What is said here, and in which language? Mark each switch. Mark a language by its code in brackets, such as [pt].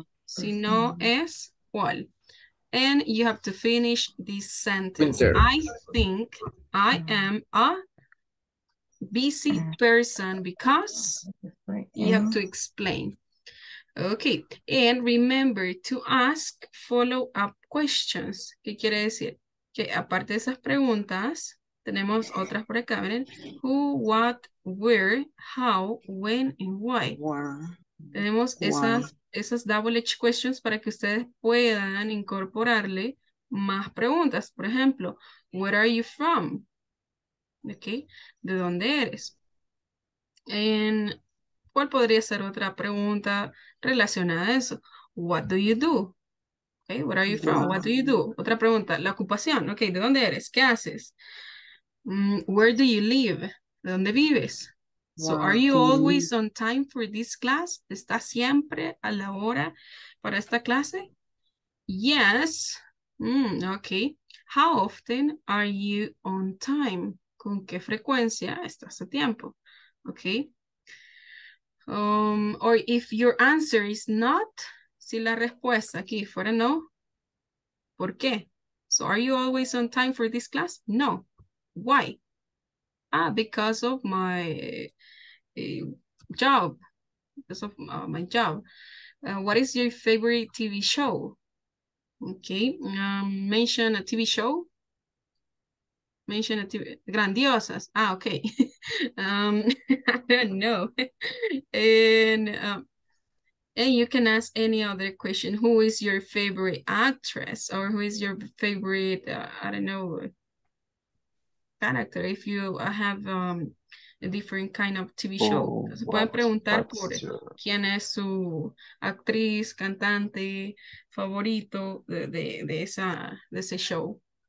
[es] Si no es, ¿cuál? [en] And you have to finish this sentence. Winter. I think I am a busy person because you have to explain. Okay, and remember to ask follow-up questions. [es] ¿Qué quiere decir? Que aparte de esas preguntas, tenemos otras por acá. ¿Ven? [en] Who, what, where, how, when, and why. [es] Tenemos esas WH questions para que ustedes puedan incorporarle más preguntas. Por ejemplo, [en] where are you from? Okay. [es] ¿De dónde eres? And ¿cuál podría ser otra pregunta relacionada a eso? [en] What do you do? Okay, where are you from? What do you do? [es] Otra pregunta, la ocupación. Okay, ¿de dónde eres? ¿Qué haces? [en] Where do you live? [es] ¿De dónde vives? [en] So, are you always on time for this class? [es] ¿Estás siempre a la hora para esta clase? [en] Yes. Okay. How often are you on time? [es] ¿Con qué frecuencia estás a tiempo? Okay. [en] Or if your answer is not, [es] si la respuesta aquí fuera no, ¿por qué? [en] So, are you always on time for this class? No. Why? Ah, because of my job. Because of my job. What is your favorite TV show? Okay. Mention a TV show. Mention a TV. Grandiosas. Ah, okay. I don't know. And And you can ask any other question. Who is your favorite actress? Or who is your favorite, I don't know, character? If you have a different kind of TV show. [es] Se pueden preguntar por quién es su actriz, cantante, favorito de ese show.